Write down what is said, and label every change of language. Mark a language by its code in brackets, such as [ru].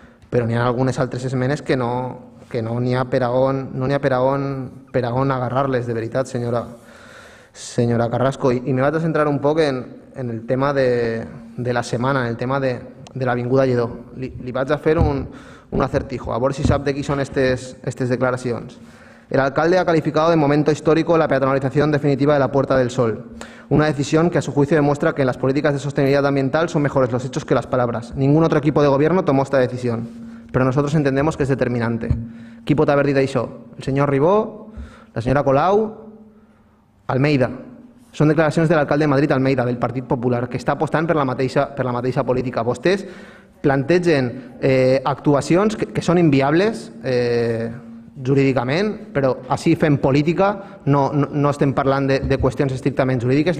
[ca] Però n'hi ha algunes altres esmenes que no n'hi ha per a on agarrar-les, de veritat, senyora Carrasco. I me vaig a centrar un poc en el tema de la setmana, en el tema de l'Avinguda Lledó. Li vaig a fer un acertijo, a veure si sap de qui són aquestes declaracions. [es] El alcalde ha calificado de momento histórico la peatonalización definitiva de la Puerta del Sol, una decisión que a su juicio demuestra que en las políticas de sostenibilidad ambiental son mejores los hechos que las palabras. Ningún otro equipo de gobierno tomó esta decisión, pero nosotros entendemos que es determinante. [ca] ¿Qui pot haver dit això? [es] El señor Ribó, la señora Colau, Almeida. Son declaraciones del alcalde de Madrid, Almeida, del Partit Popular, [ca] que està apostant per la mateixa política. Vostès plantegen actuacions que són inviables jurídicament, però així fem política, no estem parlant de qüestions estrictament jurídiques.